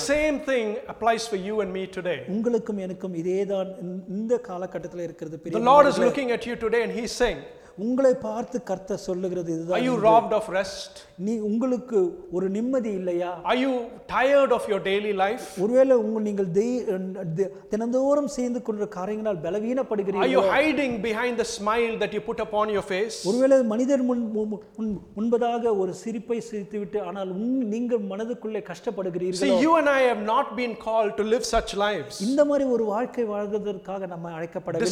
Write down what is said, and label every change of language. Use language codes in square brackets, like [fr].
[en] The same thing applies for you and me today. [ta] உங்களுக்கும் எனக்கும் இதேதான் இந்த காலகட்டத்தில் இருக்கிறது. [en] The Lord is looking at you today and he's saying, [ta] உங்களை பார்த்து கர்த்தர் சொல்லுகிறது இதுதான். [en] Are you robbed of rest? [ta] நீ உங்களுக்கு ஒரு நிம்மதி இல்லையா? [en] Are you tired of your daily life? [ta] ஒருவேளை நீங்கள் தினந்தோறும் செய்து கொண்டிருக்கிற காரியங்களால் பலவீனப்படுகிறீர்கள். [en] Are you hiding behind the smile that you put upon your face? [ta] ஒருவேளை மனிதர் முன்பதாக ஒரு சிரிப்பை சிரித்துவிட்டு ஆனால் நீங்கள் மனதுக்குள்ளே கஷ்டப்படுகிறீர்கள். [en] See, you and I have not been called to live such lives. [ta] இந்த மாதிரி ஒரு வாழ்க்கை வாழ்வதற்காக நம்ம அழைக்கப்படவில்லை.